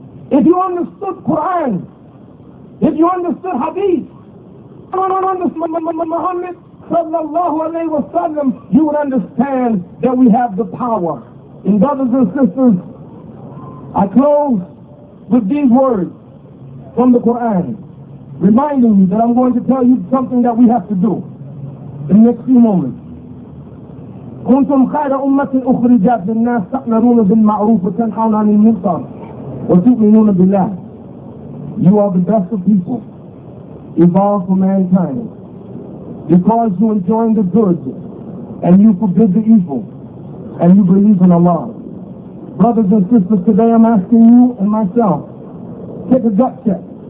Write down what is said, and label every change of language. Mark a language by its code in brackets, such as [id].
[en] If you understood Quran, if you understood Hadith, I don't understand Muhammad sallallahu alayhi wa sallam, you would understand that we have the power. And brothers and sisters, I close with these words from the Quran, reminding you that I'm going to tell you something that we have to do in the next few moments. [ar] كنتم خير أمة أخرجت للناس تأمرون بالمعروف وتنهون عن المنكر وتؤمنون بالله. [en] You are the best of people evolved for mankind because you enjoy the good and you forbid the evil and you believe in Allah. Brothers and sisters, today I'm asking you and myself, take a gut check.